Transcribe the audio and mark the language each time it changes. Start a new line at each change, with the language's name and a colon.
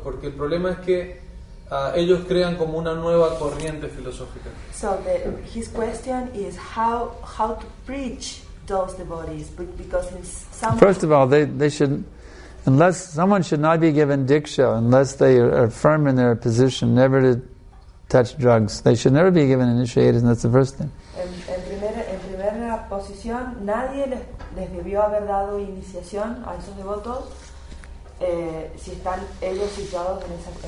Spanish: Porque el problema es que ellos crean como una nueva corriente filosófica.
English: So, his question is how to preach those devotees, because in some first of all, they should, unless someone should not be given diksha, unless they are firm in their position never to touch drugs. They should never be given initiated, and that's the first thing.
Spanish: En primera posición, nadie les debió haber dado iniciación a esos devotos si están ellos situados en esa.